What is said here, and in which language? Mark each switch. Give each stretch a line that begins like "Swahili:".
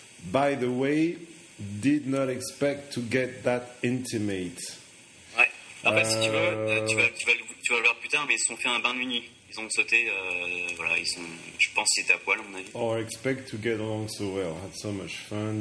English: By the way, did not expect to get that intimate.
French: Ouais. Si tu veux le voir plus tard, mais ils se sont fait un bain de nuit. Ils ont sauté, je pense qu'ils étaient à poil, à mon avis.
English: Or expect to get along so well, had so much fun.